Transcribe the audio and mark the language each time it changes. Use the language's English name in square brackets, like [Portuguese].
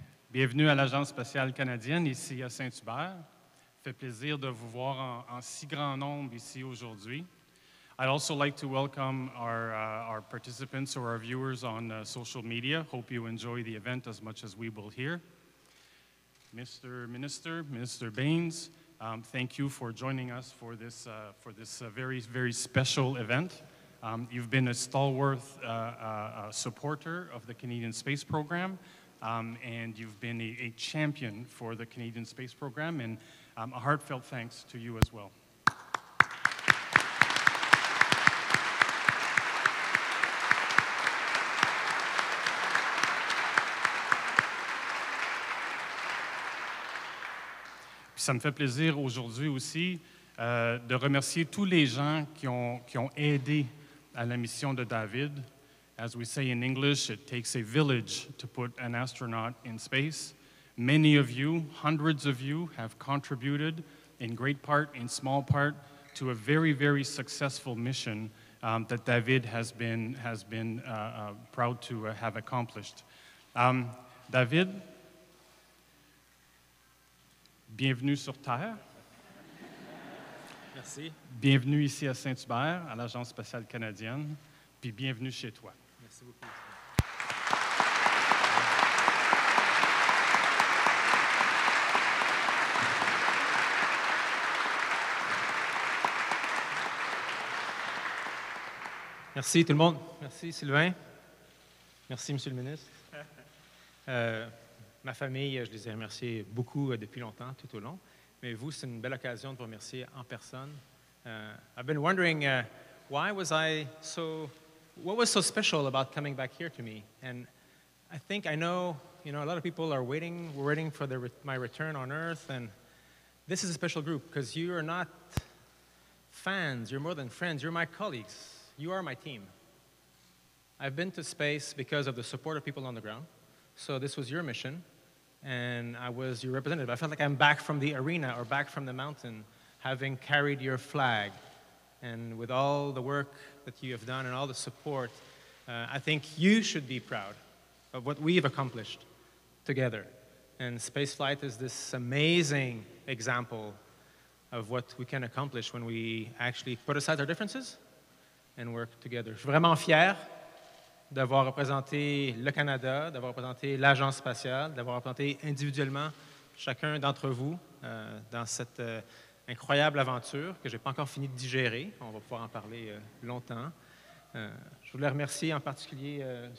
[French] Bienvenue à l'Agence spatiale canadienne, ici à Saint-Hubert. Fait plaisir de vous voir en si grand nombre ici aujourd'hui. [English] I'd also like to welcome our participants or our viewers on social media. Hope you enjoy the event as much as we will here. Mr. Minister, Minister Bains, thank you for joining us for this very, very special event. You've been a stalwart supporter of the Canadian Space Program, and you've been a champion for the Canadian Space Program, and a heartfelt thanks to you as well. [French] Ça me fait plaisir aujourd'hui aussi de remercier tous les gens qui ont aidé à la mission de David. [English] As we say in English, it takes a village to put an astronaut in space. Many of you, hundreds of you, have contributed in great part, in small part, to a very, very successful mission that David has been proud to have accomplished. [French] David, bienvenue sur Terre. Merci. Bienvenue ici à Saint-Hubert, à l'Agence spatiale canadienne, puis bienvenue chez toi. Merci beaucoup. Merci tout le monde. Merci Sylvain. Merci Monsieur le ministre. Ma famille, je les ai remerciés beaucoup depuis longtemps, tout au long. Mais vous, c'est une belle occasion de vous remercier en personne. [English] I've been wondering, what was so special about coming back here to me? And I think I know, you know, a lot of people are waiting for my return on Earth. And this is a special group, because you are not fans, you're more than friends, you're my colleagues. You are my team. I've been to space because of the support of people on the ground. So this was your mission. And I was your representative. I felt like I'm back from the arena or back from the mountain, having carried your flag. And with all the work that you have done and all the support, I think you should be proud of what we've accomplished together. And spaceflight is this amazing example of what we can accomplish when we actually put aside our differences and work together. [French] Je suis vraiment fier d'avoir représenté le Canada, d'avoir représenté l'Agence spatiale, d'avoir représenté individuellement chacun d'entre vous dans cette incroyable aventure que je n'ai pas encore fini de digérer. On va pouvoir en parler longtemps. Je voulais remercier en particulier M.